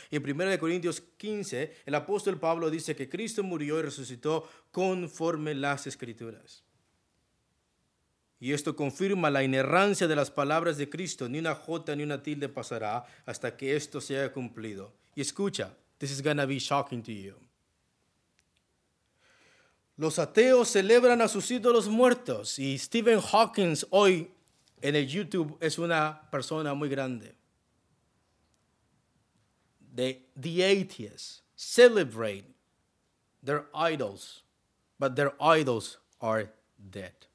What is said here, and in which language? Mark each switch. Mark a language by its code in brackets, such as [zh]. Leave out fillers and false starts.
[es] Y en 1 Corintios 15, el apóstol Pablo dice que Cristo murió y resucitó conforme las Escrituras. Y esto confirma la inerrancia de las palabras de Cristo. Ni una jota, ni una tilde pasará hasta que esto sea cumplido. Y escucha, [en] this is going to be shocking to you. [es] Los ateos celebran a sus ídolos muertos, y Stephen Hawking hoy en el YouTube es una persona muy grande. [en] The atheists celebrate their idols, but their idols are dead.